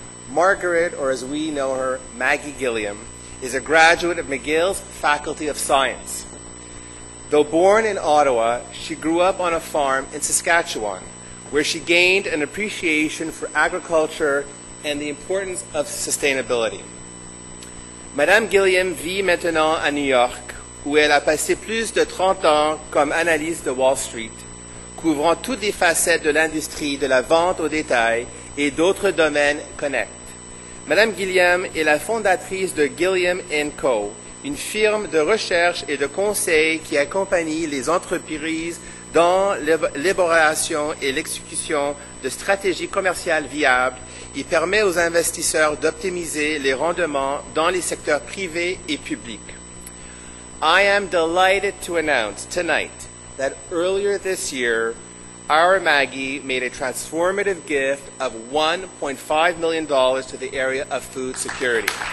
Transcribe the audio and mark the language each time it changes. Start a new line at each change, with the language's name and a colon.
English: Margaret, or as we know her, Maggie Gilliam, is a graduate of McGill's Faculty of Science. Though born in Ottawa, she grew up on a farm in Saskatchewan, where she gained an appreciation for agriculture and the importance of sustainability.
French: Madame Gilliam vit maintenant à New York, où elle a passé plus de 30 ans comme analyste de Wall Street, couvrant toutes les facettes de l'industrie de la vente au détail et d'autres domaines connexes. Madame Gilliam est la fondatrice de Gilliam & Co., une firme de recherche et de conseil qui accompagne les entreprises dans l'élaboration et l'exécution de stratégies commerciales viables et permet aux investisseurs d'optimiser les rendements dans les secteurs privés et publics.
English: I am delighted to announce tonight that earlier this year, our Maggie made a transformative gift of $1.5 million to the area of food security.